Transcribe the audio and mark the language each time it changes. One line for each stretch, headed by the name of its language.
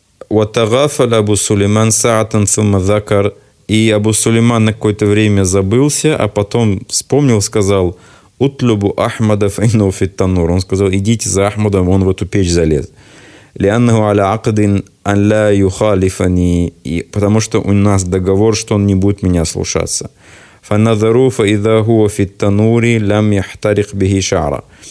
Arabic: وتغافل أبو سليمان ساعة ثم ذكر.
Russian: И Абу Сулейман на какое-то время забылся, а потом вспомнил, сказал:
Arabic: «Утлюбу Ахмада фейну фиттанур».
Russian: Он сказал: «Идите за Ахмадом, он в эту печь залез».
Arabic: لأنه على عقد أن لا يخالفني.
Russian: Потому что у нас договор, что он не будет меня слушаться.
Arabic: فنظروا فإذا هو في التنور لم يحترق به شعرا.